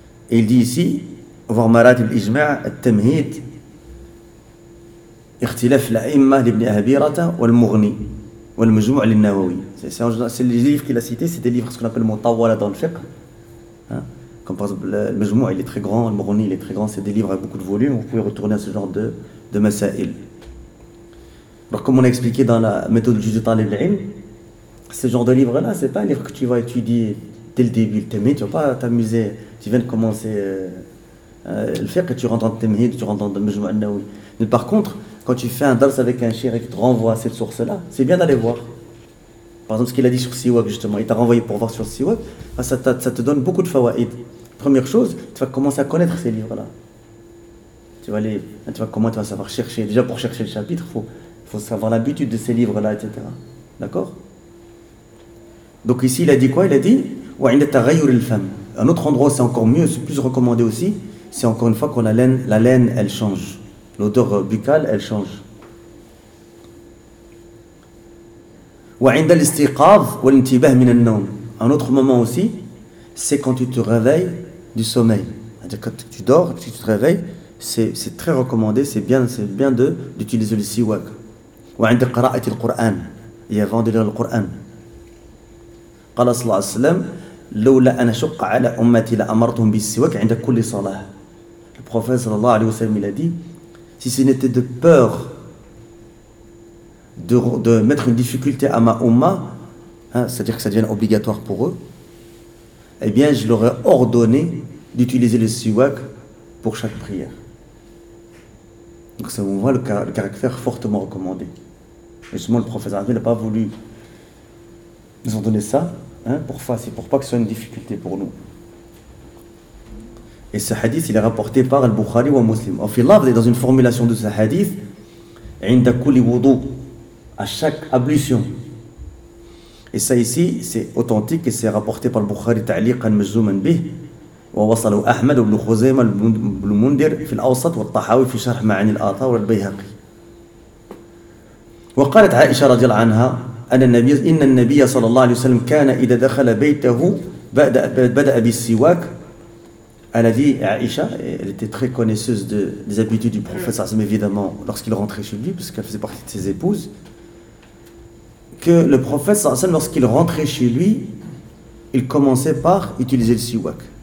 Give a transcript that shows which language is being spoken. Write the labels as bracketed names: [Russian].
[French] Et il dit ici, voir marat al-ijma' al-tamhid. [Arabic] اختلاف الأئمة لابن أبي رتا والمغني والمجموع للنووي. [French] C'est les livres qu'il a cités, c'est des livres qu'on appelle Mutawwala dans le fiqh. Comme par exemple, le Majmou' il est très grand, le Mughni il est très grand, c'est des livres avec beaucoup de volume, vous pouvez retourner à ce genre de masa'il. Alors comme on a expliqué dans la méthode du Talib al-Ilm, ce genre de livre-là, c'est pas un livre que tu vas étudier dès le début, le Tamhid, tu vas pas t'amuser, tu viens de commencer le fiqh et tu rentres dans le Tamhid, tu rentres dans le Majmou' al-Nawawi. Mais par contre, quand tu fais un dars avec un shir et qu'il te renvoie à cette source-là, c'est bien d'aller voir. Par exemple, ce qu'il a dit sur Siwak, justement, il t'a renvoyé pour voir sur Siwak, ça te donne beaucoup de fawaïd. Première chose, tu vas commencer à connaître ces livres-là. Tu vas aller, tu vas savoir chercher. Déjà, pour chercher le chapitre, il faut avoir l'habitude de ces livres-là, etc. D'accord? Donc ici, il a dit quoi? Il a dit, « [Arabic] Wa inda taghayyur al-fam. [French] » Un autre endroit, c'est encore mieux, c'est plus recommandé aussi, c'est encore une fois quand la laine, elle change. L'odeur buccale, elle change. [Arabic] وعند الاستيقاظ والانتباه من النوم. [French] Un autre moment aussi, c'est quand tu te réveilles du sommeil. C'est-à-dire quand tu dors, quand tu te réveilles, c'est très recommandé, c'est bien d'utiliser le siwak. [Arabic] وعند قراءة القرآن. [French] Et avant de lire le Coran. [Arabic] قال صلى الله عليه وسلم لولا أن أشق على أمتي لأمرتهم بالسواك عند كل صلاة. [French] Le prophète صلى الله عليه وسلم il a dit, si ce n'était de peur de mettre une difficulté à ma umma, c'est-à-dire que ça devienne obligatoire pour eux, eh bien, je leur ai ordonné d'utiliser le siwak pour chaque prière. Donc, ça vous voit le caractère fortement recommandé. Et justement, le prophète n'a pas voulu nous en donner ça, pour pas que ce soit une difficulté pour nous. Et ce hadith, il est rapporté par Al-Bukhari ou Al-Muslim. En fait, là, vous êtes dans une formulation de ce hadith, « [Arabic] عند كل وضوء [French] » à chaque ablution. Et ça ici, c'est authentique et c'est rapporté par le Bukhari ta'liqan majzuman bih. [Arabic] ووصلوا أحمد وابن خزيمة وابن المنذر في الأوسط والطحاوي في شرح معاني الآثار والبيهقي. وقالت عائشة رضي الله عنها أن النبي إن النبي صلى الله عليه وسلم كان إذا دخل بيته بدأ بالسواك. [French] Elle a dit, Aïcha, elle était très connaisseuse des habitudes du prophète Sassim, évidemment, lorsqu'il rentrait chez lui, puisqu'elle faisait partie de ses épouses, que le prophète Sassim, lorsqu'il rentrait chez lui, il commençait par utiliser le siwak.